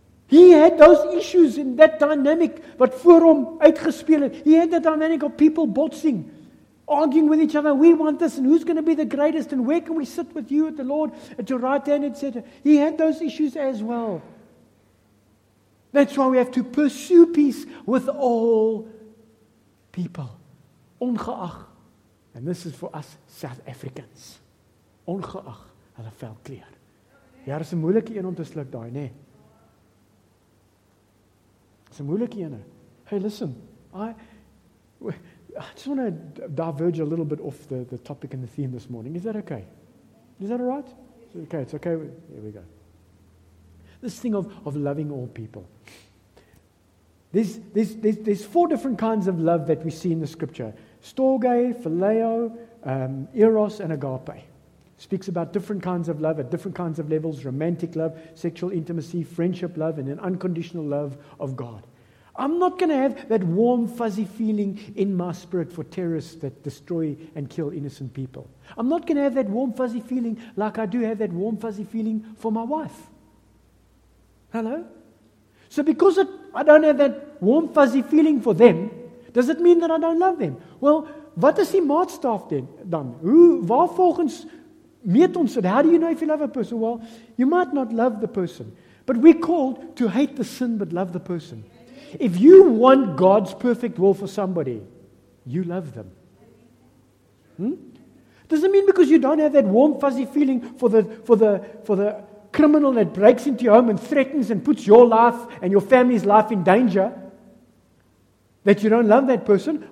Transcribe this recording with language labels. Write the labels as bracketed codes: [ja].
[en] He had those issues in that dynamic [af] wat voor hom uitgespeel het. [en] He had that dynamic of people botsing, arguing with each other. We want this and who's going to be the greatest and where can we sit with you at the Lord at your right hand, etc. He had those issues as well. That's why we have to pursue peace with all people. [af] Ongeag, [en] and this is for us South Africans. [af] Ongeag, hulle vel kleur. Ja, dis 'n moeilike een om te sluk daai, nê? Dis 'n moeilike een. [en] Hey, listen. I just want to diverge a little bit off the topic and the theme this morning. Is that okay? Is that all right? Okay, it's okay. Here we go. This thing of loving all people. There's four different kinds of love that we see in the scripture. Storge, phileo, eros, and agape. Speaks about different kinds of love at different kinds of levels. Romantic love, sexual intimacy, friendship love, and an unconditional love of God. I'm not going to have that warm, fuzzy feeling in my spirit for terrorists that destroy and kill innocent people. I'm not going to have that warm, fuzzy feeling like I do have that warm, fuzzy feeling for my wife. Hello? So because I don't have that warm, fuzzy feeling for them, does it mean that I don't love them? Well, [af] wat is die maatstaf dan? Hoe, waar volgens meet ons het? [en] How do you know if you love a person? Well, you might not love the person. But we're called to hate the sin but love the person. If you want God's perfect will for somebody, you love them. Doesn't mean because you don't have that warm, fuzzy feeling for the criminal that breaks into your home and threatens and puts your life and your family's life in danger, that you don't love that person.